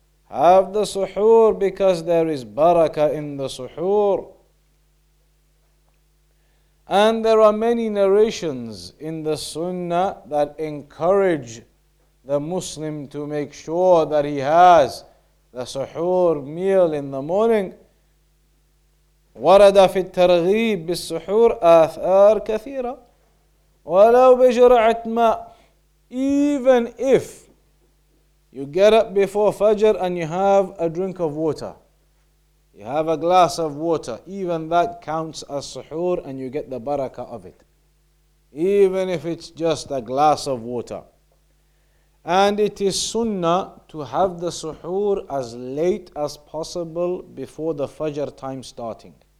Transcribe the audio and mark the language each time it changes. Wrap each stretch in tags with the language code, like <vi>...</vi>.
<en>Have the suhoor because there is barakah in the suhoor. And there are many narrations in the sunnah that encourage the Muslim to make sure that he has the suhoor meal in the morning.</en> <ar>ورد في الترغيب بالسحور آثار كثيرة ولو بجرعة ماء.</ar> <en>Even if you get up before Fajr and you have a drink of water, you have a glass of water, even that counts as suhur and you get the barakah of it. Even if it's just a glass of water. And it is sunnah to have the suhur as late as possible before the Fajr time starting.</en>